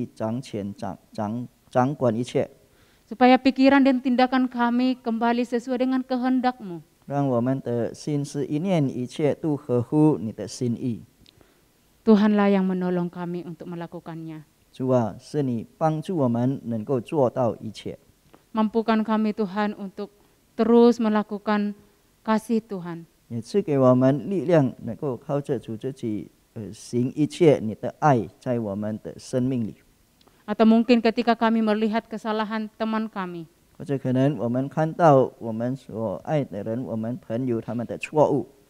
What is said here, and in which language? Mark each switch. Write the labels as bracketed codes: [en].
[zh] 让在我们的心中只有上帝掌权掌管一切。 [id] Supaya pikiran dan tindakan kami kembali sesuai dengan kehendakmu. [zh] 让我们的心思意念一切都合乎你的心意。 [id] Tuhanlah yang menolong kami untuk melakukannya. [zh] 主啊，是你帮助我们能够做到一切。 [id] Mampukan kami Tuhan untuk terus melakukan kasih Tuhan. [zh] 也赐给我们力量，能够靠着主自己，行一切你的爱在我们的生命里。 [id] Atau mungkin ketika kami melihat kesalahan teman kami. [zh] 或者可能我们看到我们所爱的人，我们朋友他们的错误。